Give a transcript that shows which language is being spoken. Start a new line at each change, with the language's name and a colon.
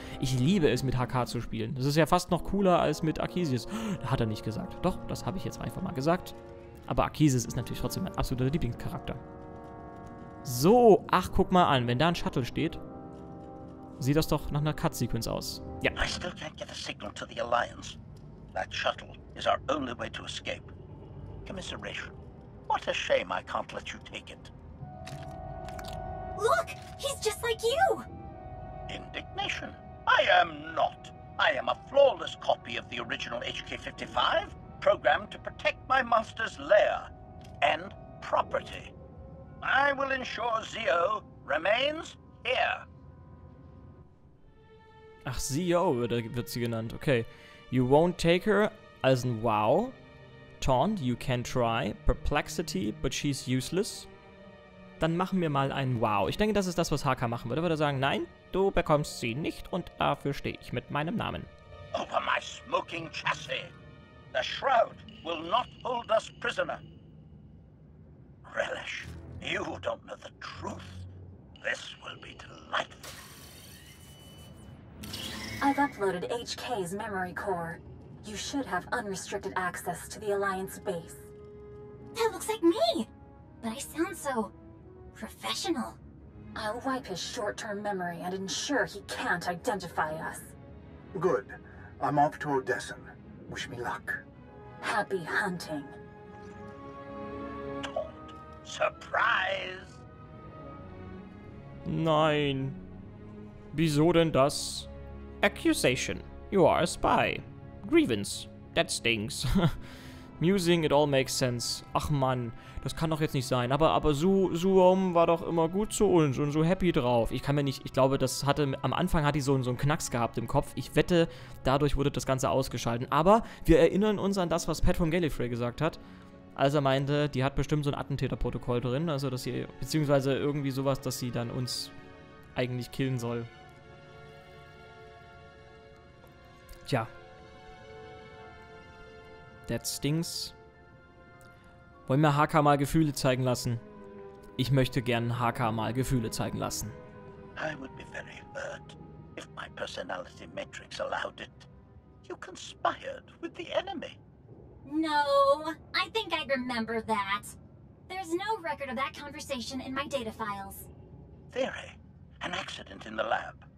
German: Ich liebe es, mit HK zu spielen. Das ist ja fast noch cooler als mit Arceus. Hat er nicht gesagt. Doch, das habe ich jetzt einfach mal gesagt. Aber Arceus ist natürlich trotzdem mein absoluter Lieblingscharakter. So, ach, guck mal an. Wenn da ein Shuttle steht, sieht das doch nach einer Cutscene aus. Ja.
English: I still can't get a signal to the Alliance. That shuttle is our only way to escape. Commissar Risch, what a shame I can't let you take it. Look, he's just like you. Indignation. I am not. I am a flawless copy of the original HK-55, programmed to protect my master's lair and property. I will ensure Zio remains here.
German: Ach, Zio wird sie genannt. Okay.
English: You won't take her, as in wow. Taunt, you can try. Perplexity, but she's useless.
German: Dann machen wir mal ein Wow. Ich denke, das ist das, was HK machen würde. Er würde sagen, nein, du bekommst sie nicht und dafür stehe ich mit meinem Namen.
English: Over my smoking chassis. The shroud will not hold us prisoner. Relish, you don't know the truth. This will be delightful. I've uploaded HK's memory core. You should have unrestricted access to the Alliance base. That looks like me! But I sound so... professional. I'll wipe his short-term memory and ensure he can't identify us. Good. I'm off to Odessen. Wish me luck. Happy hunting. Taunt. Surprise!
German: Nein. Wieso denn das?
English: Accusation. You are a spy. Grievance. That stinks. Musing, it all makes sense.
German: Ach man, das kann doch jetzt nicht sein. Aber Suom war doch immer gut zu uns und so happy drauf. Ich kann mir nicht, ich glaube, das hatte, am Anfang hat die so einen Knacks gehabt im Kopf. Ich wette, dadurch wurde das Ganze ausgeschalten. Aber wir erinnern uns an das, was Pat von Gallifrey gesagt hat. Als er meinte, die hat bestimmt so ein Attentäterprotokoll drin. Also, dass sie, beziehungsweise irgendwie sowas, dass sie dann uns eigentlich killen soll. Tja.
English: That stinks.
German: Wollen wir HK mal Gefühle zeigen lassen? Ich möchte gern HK mal Gefühle zeigen lassen.
English: I would be very hurt if my personality matrix allowed it. You conspired with the enemy. No, I think I remember that. There's no record of that conversation in my data files. Theory. An accident in the lab.